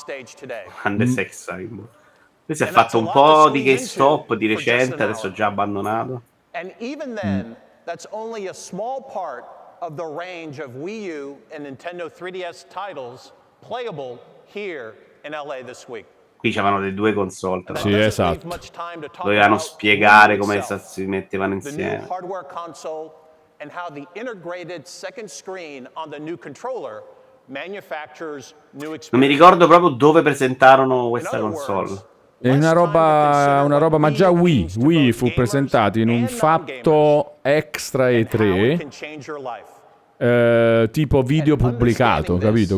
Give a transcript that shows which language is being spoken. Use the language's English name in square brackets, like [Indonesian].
[Italian] Si è fatto un po' di GameStop di recente, adesso già abbandonato. [English] And even then, that's only a small part of the range of Wii U and Nintendo 3DS titles playable here in LA this week. [Italian] Qui c'erano le due console, tra sì, esatto. Dovevano spiegare come si mettevano insieme. [English] The hardware console and how the integrated second screen on the new controller manufactures new experience. [Italian] Non mi ricordo proprio dove presentarono questa console. È una roba, ma già Wii fu presentato in un fatto extra E3, tipo video pubblicato, capito?